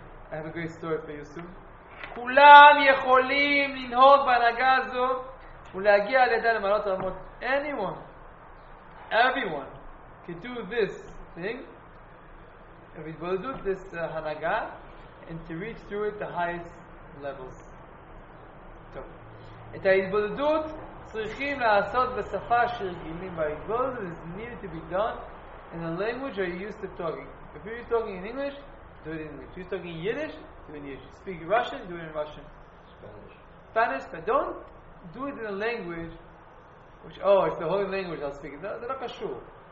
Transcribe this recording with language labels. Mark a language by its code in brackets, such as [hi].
[en] I have a great story for you soon. [he] Kulam yecholim inhog banagazo ulagi aledan malot amot. [en] Anyone, everyone, can do this thing. If it will do this hanaga, and to reach through it the highest levels. [he] So, את ההתבודדות צריכים לעשות בשפה שרגילים בה. [en] ההתבודדות is needed to be done in a language that you're used to talking. If you're talking in English, do it in English. If you're talking Yiddish, do it in Yiddish. Speak Russian, do it in Russian. Spanish, but don't do it in a language which, oh, it's the holy language I'll speak. That's not a shul.